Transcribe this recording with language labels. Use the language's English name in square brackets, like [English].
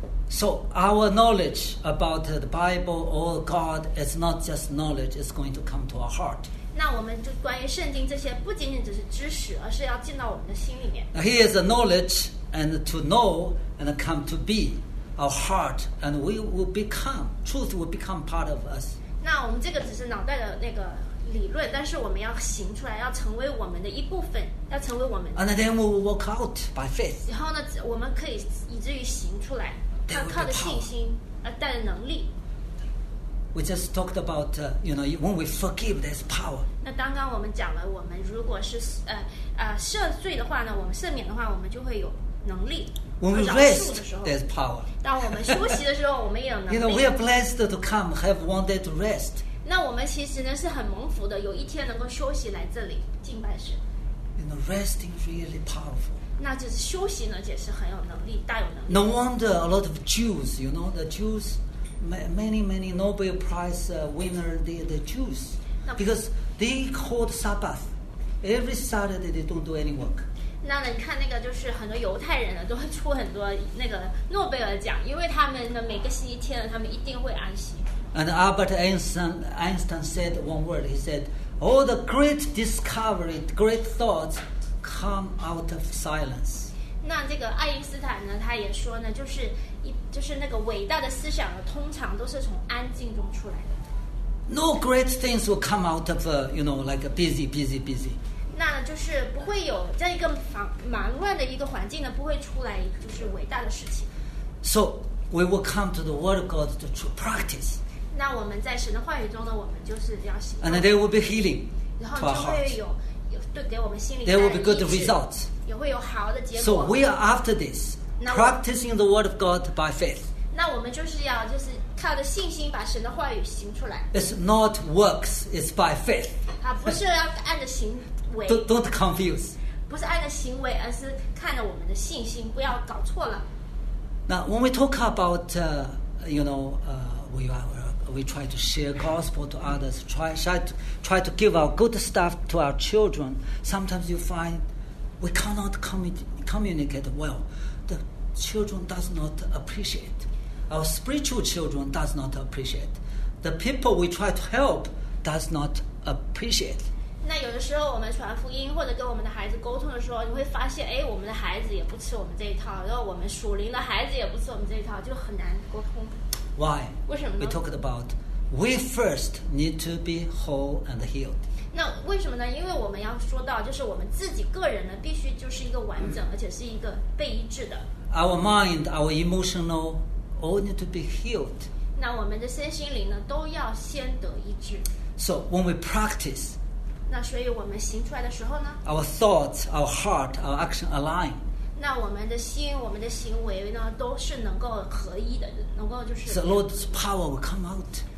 [English] So our knowledge about the Bible or God is not just knowledge; it's going to come to our heart. [Chinese] 那我们就关于圣经这些，不仅仅只是知识，而是要进到我们的心里面。 [English] Now, here is the knowledge and to know and come to be our heart, and we will become truth will become part of us. [Chinese] 那我们这个只是脑袋的那个。理论，但是我们要行出来，要成为我们的一部分，要成为我们。 [English] And then we will walk out by faith. [Chinese] 然后呢，我们可以以至于行出来，要靠着信心而带着能力。 [English] We just talked about, you know, when we forgive, there's power. [Chinese] 那刚刚我们讲了，我们如果是赦罪的话呢，我们赦免的话，我们就会有能力。 [English] When we rest, there's power. [Chinese] 当我们休息的时候，我们也有能力。 [English] You know, we are blessed to come, have one day to rest. [Chinese] 那我们其实呢是很蒙福的，有一天能够休息来这里敬拜神。 [English] You know, resting really powerful. [Chinese] 那就是休息呢，也是很有能力，大有能力。 [English] No wonder a lot of Jews, you know, the Jews, many many Nobel Prize winner, the Jews, because they called Sabbath. Every Saturday they don't do any work. [Chinese] 那你看那个就是很多犹太人呢，都会出很多那个诺贝尔奖，因为他们呢每个星期天他们一定会安息。 [English] And Albert Einstein said one word. He said, "All the great discovery, great thoughts, come out of silence." [Chinese] 那这个爱因斯坦呢，他也说呢，就是那个伟大的思想呢，通常都是从安静中出来的。 [English] No great things will come out of you know, like a busy, busy, busy. [Chinese] 那就是不会有这一个忙乱的一个环境呢，不会出来就是伟大的事情。 [English] So we will come to the Word of God to practice. [Chinese] 那我们在神的话语中呢，我们就是要行动。 [English] And there will be healing. [Chinese] 然后就会有对给我们心里。 [English] There will be good results. [Chinese] 也会有好的结果。 [English] So we are after this, practicing the word of God by faith. [Chinese] 那我们就是靠着信心把神的话语行出来。 [English] It's not works, it's by faith. [Chinese] 啊，不是要按着行为。 [English] Don't confuse. [Chinese] 不是按着行为，而是看着我们的信心，不要搞错了。 [English] Now when we talk about, you know, we are. we try to share gospel to others, try to give our good stuff to our children, sometimes you find we cannot communicate well. The children does not appreciate. Our spiritual children does not appreciate. The people we try to help does not appreciate. [Chinese] 那有的时候我们传福音或者跟我们的孩子沟通的时候，你会发现，哎，我们的孩子也不吃我们这一套，然后我们属灵的孩子也不吃我们这一套，就很难沟通。 [English] Why? [Chinese] 为什么呢？ [English] We talked about we first need to be whole and healed. [Chinese] 那为什么呢？因为我们要说到，就是我们自己个人呢，必须就是一个完整，而且是一个被医治的。 [English] Our mind, our emotional, all need to be healed. [Chinese] 那我们的身心灵呢，都要先得医治。 [English] So when we practice. [Chinese] 那所以我们行出来的时候呢 [English] ？Our thoughts, our heart, our action align. [Chinese] 那我们的心、我们的行为呢，都是能够合一的，能够就是。 [English] The Lord's power will come out.